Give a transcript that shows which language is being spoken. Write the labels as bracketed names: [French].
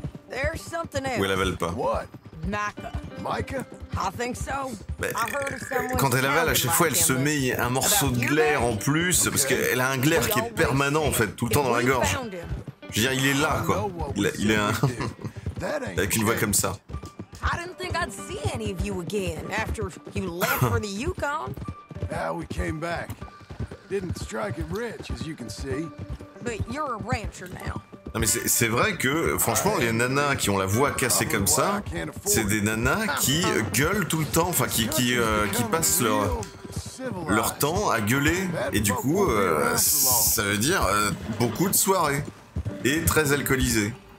[English] There's something else. [French] Où elle avale pas. [English] What? Micah. I think so. [French] Mais, quand elle avale, à chaque fois, elle se met un morceau de glaire en plus, parce qu'elle a un glaire qui est permanent, en fait, tout le temps dans la gorge. Je veux dire, il est là, quoi. Il est un... avec une voix comme ça. [English] I didn't think I'd see any of you again after you left for the Yukon. Now we came back. Didn't strike it rich, as you can see. But you're a rancher now. [French] Non mais c'est vrai que franchement les nanas qui ont la voix cassée comme ça, c'est des nanas qui gueulent tout le temps, enfin qui passent leur temps à gueuler, et du coup ça veut dire beaucoup de soirées et très alcoolisées.